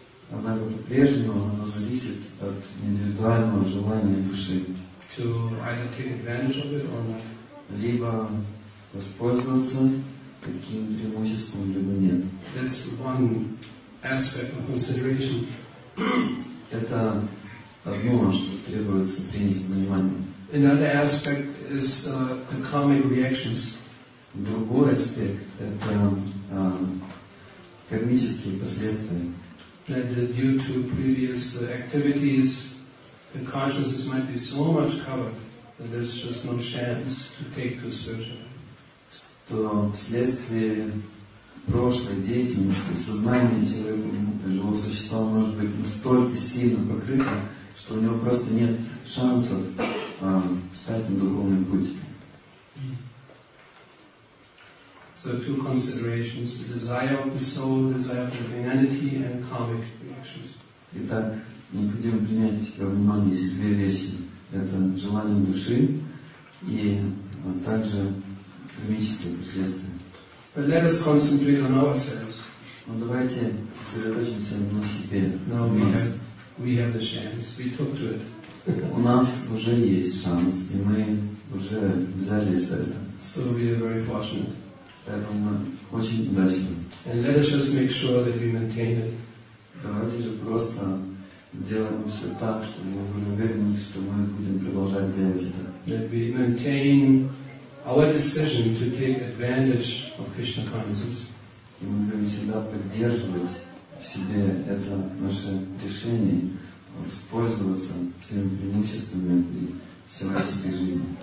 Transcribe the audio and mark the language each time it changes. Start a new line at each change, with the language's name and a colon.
Russian: Однако по-прежнему оно зависит от индивидуального желания души.
English: To either take advantage of it or not.
Russian: Либо воспользоваться таким преимуществом, либо нет.
English: That's one aspect of consideration.
Russian: Это одно, что требуется принять внимание.
English: Another aspect is the karmic reactions.
Russian: Другой аспект — это кармические последствия.
English: That due to previous activities, the consciousness might be so much covered that there's just no chance to take to spiritual.
Russian: Что вследствие прошлой деятельности сознание человека, живого существа, может быть настолько сильно покрыто, что у него просто нет шансов встать на духовный путь.
English: So two considerations, the desire of the soul, the desire of the living entity, and karmic reactions.
Russian: Итак, необходимо принять во внимание эти две вещи. Это желание души и также кармические последствия.
English: But let us concentrate on ourselves.
Russian: Ну, давайте сосредоточимся на себе.
English: Now we have the chance, we took to it.
Russian: У нас уже есть шанс, и мы уже взялись за это.
English: So we are very fortunate.
Russian: Поэтому очень удачно.
English: And let us just make sure that we maintain it.
Russian: Давайте же просто сделаем все так, чтобы мы были уверены, что мы будем продолжать делать это.
English: That we maintain our decision to take advantage of Krishna consciousness.
Russian: И мы будем всегда поддерживать в себе это наше решение воспользоваться всеми преимуществами и человеческой жизни.